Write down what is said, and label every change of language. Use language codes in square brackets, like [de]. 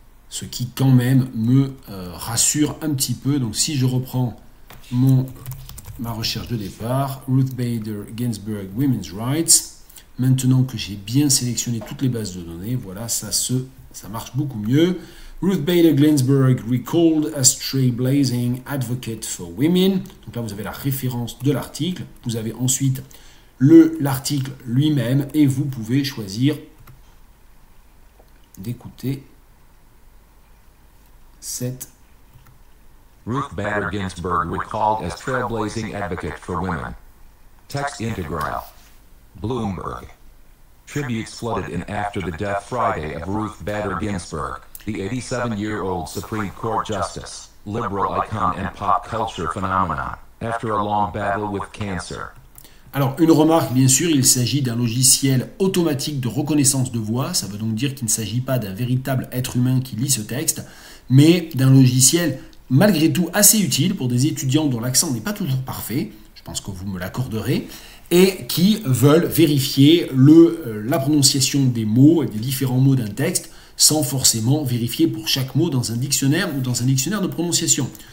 [fr] Ce qui quand même me rassure un petit peu. Donc si je reprends ma recherche de départ, Ruth Bader Ginsburg Women's Rights, maintenant que j'ai bien sélectionné toutes les bases de données, voilà, ça marche beaucoup mieux. [en] Ruth Bader Ginsburg recalled as trailblazing advocate for women. [fr] Donc là, vous avez la référence de l'article. Vous avez ensuite l'article lui-même et vous pouvez choisir d'écouter cette. [en] Ruth Bader Ginsburg recalled as trailblazing advocate for women. Text integral. Bloomberg. Tributes flooded in after the death Friday of Ruth Bader Ginsburg, the 87-year-old Supreme Court Justice, liberal icon and pop culture phenomenon, after a long battle with cancer. [fr] Alors, une remarque, bien sûr, il s'agit d'un logiciel automatique de reconnaissance de voix, ça veut donc dire qu'il ne s'agit pas d'un véritable être humain qui lit ce texte, mais d'un logiciel malgré tout assez utile pour des étudiants dont l'accent n'est pas toujours parfait, je pense que vous me l'accorderez, et qui veulent vérifier la prononciation des mots et des différents mots d'un texte sans forcément vérifier pour chaque mot dans un dictionnaire ou dans un dictionnaire de prononciation.